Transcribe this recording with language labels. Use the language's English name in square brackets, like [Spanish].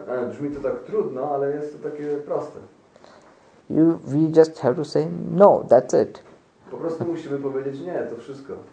[Polish] Brzmi to tak trudno, ale jest to takie proste. [English] We just have to say no, that's it. [Polish] Po prostu musimy powiedzieć nie, to wszystko.